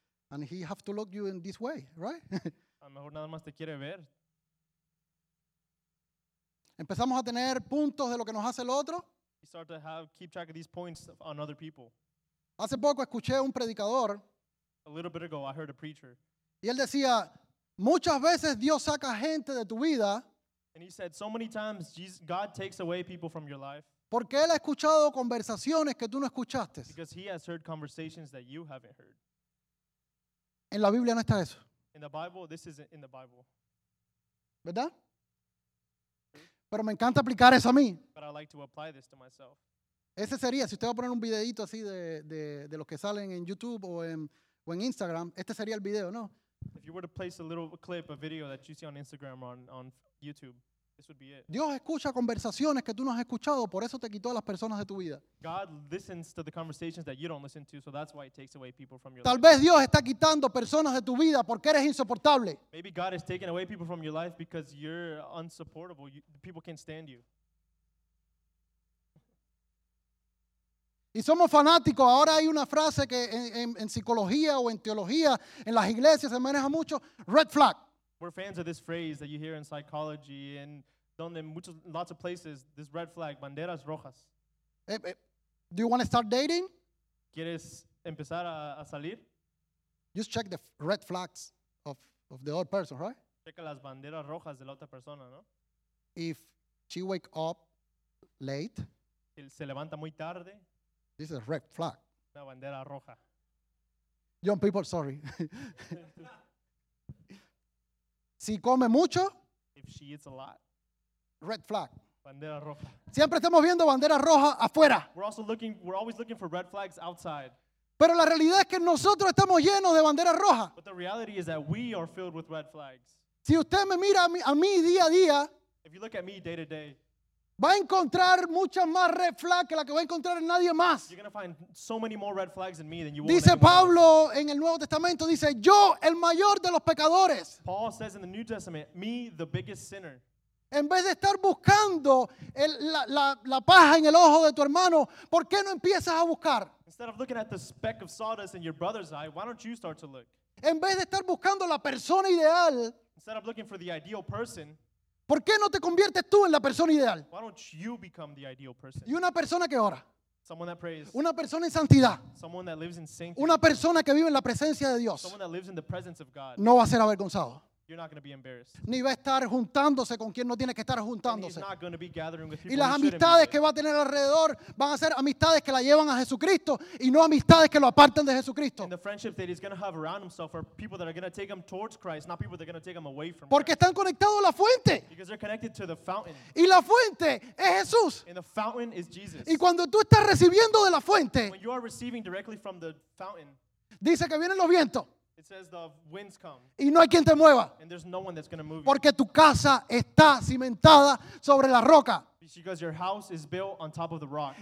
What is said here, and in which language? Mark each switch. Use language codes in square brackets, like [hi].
[en] And he have to look you in this way, right? [es] A lo mejor nada más te quiere ver. Empezamos a tener puntos de lo que nos hace el otro. [en] You start to have, keep track of these points on other people. [es] Hace poco escuché un predicador. [en] A little bit ago, I heard a preacher. [es] Y él decía, muchas veces Dios saca gente de tu vida. [en] And he said, so many times Jesus, God takes away people from your life. [es] Porque él ha escuchado conversaciones que tú no escuchaste. [en] Because he has heard conversations that you haven't heard. [es] En la Biblia no está eso. [en] In the Bible, this isn't in the Bible. [es] ¿Verdad? Pero me encanta aplicar eso a mí. [en] But I like to apply this to myself. [es] Ese sería, si usted va a poner un videito así de los que salen en YouTube o en Instagram, este sería el video, ¿no? [en] If you were to place a little clip, a video that you see on Instagram or on YouTube, this would be it. [es] Dios escucha conversaciones que tú no has escuchado, por eso te quitó a las personas de tu vida. [en] God listens to the conversations that you don't listen to, so that's why it takes away people from your [es] Tal [en] life. [es] Tal vez Dios está quitando personas de tu vida porque eres insoportable. [en] Maybe God is taking away people from your life because you're insupportable. People can't stand you. [es] Y somos fanáticos. Ahora hay una frase que en psicología o en teología, en las iglesias se maneja mucho, red flag. [en] We're fans of this phrase that you hear in psychology and [es] donde muchos, [en] lots of places, this red flag, [es] banderas rojas. [en] Do you want to start dating? [es] ¿Quieres empezar a salir? [en] Just check the red flags of the other person, right? [es] Checa las banderas rojas de la otra persona, ¿no? [en] If she wake up late. [es] Él se levanta muy tarde. [en] This is a red flag. [es] La bandera roja. [en] Young people, sorry. [es] Si come mucho. [en] If she eats a lot. Red flag. [es] Bandera roja. Siempre estamos viendo bandera roja afuera. [en] We're always looking for red flags outside. [es] Pero la realidad es que nosotros estamos llenos de bandera roja. [en] But the reality is that we are filled with red flags. [es] Si usted me mira a mí día a día. [en] If you look at me day to day. [es] Va a encontrar muchas más red flags que la que va a encontrar en nadie más. [en] You're gonna find so many more red flags in me than you. [es] Dice Pablo en el Nuevo Testamento, dice, yo el mayor de los pecadores. [en] Paul says in the New Testament, me the biggest sinner. [es] En vez de estar buscando la paja en el ojo de tu hermano, ¿por qué no empiezas a buscar? [en] Instead of looking at the speck of sawdust in your brother's eye, why don't you start to look? [es] En vez de estar buscando la persona ideal. [en] Instead of looking for the ideal person. [es] ¿Por qué no te conviertes tú en la persona ideal? [en] Why don't you become the ideal person? [es] Y una persona que ora. [en] Someone that prays. [es] Una persona en santidad. [en] Someone that lives in sanctity. [es] Una persona que vive en la presencia de Dios. [en] Someone that lives in the presence of God. [es] No va a ser avergonzado. [en] You're not going to be embarrassed. [es] Ni va a estar juntándose con quien no tiene que estar juntándose. [en] And he's not going to be gathering with people. [es] Y las amistades que va a tener alrededor van a ser amistades que la llevan a Jesucristo y no amistades que lo apartan de Jesucristo. [en] And the friendship that he's going to have around himself are people that are going to take him towards Christ, not people that are going to take him away from Christ. [es] Porque están conectados a la fuente. [en] Because they're connected to the fountain. [es] Y la fuente es Jesús. [en] And the fountain is Jesus. [es] Y cuando tú estás recibiendo de la fuente, [en] when you are receiving directly from the fountain, [es] dice que vienen los vientos. [en] It says the winds come. [es] Y no hay quien te mueva. [en] And there's no one that's going to move you. [es] Porque tu casa está cimentada sobre la roca. [en] Because your house is built on top of the rock.